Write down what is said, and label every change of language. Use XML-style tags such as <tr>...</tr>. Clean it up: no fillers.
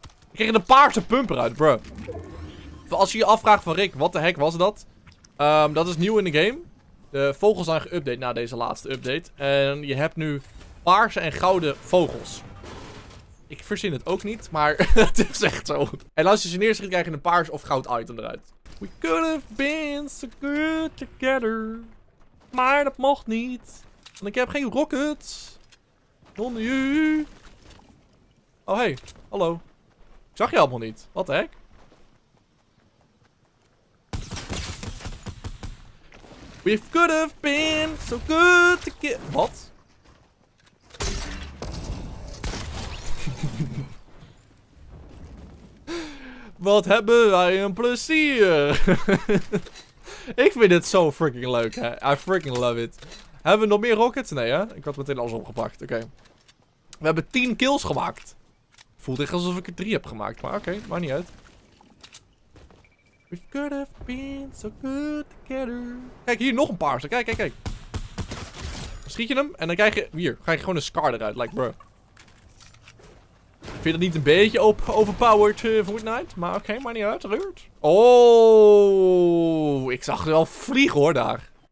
<nl>We kregen de paarse pumper uit, bro. Als je je afvraagt van Rick, wat de heck was dat? Dat is nieuw in de game. De vogels zijn geüpdate na deze laatste update. En je hebt nu paarse en gouden vogels. Ik verzin het ook niet, maar het is echt zo. En als je ze neerschiet, krijg je een paars of goud item eruit.</nl> <en>We could have been so good together.</en> <nl>Maar dat mocht niet. Want ik heb geen rockets. Zonder u. Oh, hey. Hallo. Ik zag je helemaal niet. Wat de heck?</nl> <en>We could have been so good to get...</en> <nl>Wat? Wat hebben wij een plezier. Ik vind dit zo freaking leuk, hè.</nl> <en>I freaking love it.</en> <nl>Hebben we nog meer rockets? Nee, hè. Ik had meteen alles opgepakt. Oké. We hebben 10 kills gemaakt. Voelt echt alsof ik er 3 heb gemaakt. Maar oké, maakt niet uit.</nl> <en>We could have been so good together.</en> <nl>Kijk, hier nog een paar. Kijk. Dan schiet je hem en dan krijg je... Hier, ga je gewoon een scar eruit. Like, bro. Vind je dat niet een beetje overpowered Fortnite? Maar oké, okay, maar niet uit. Ruurt. Oh, ik zag er wel vliegen, hoor, daar.</nl>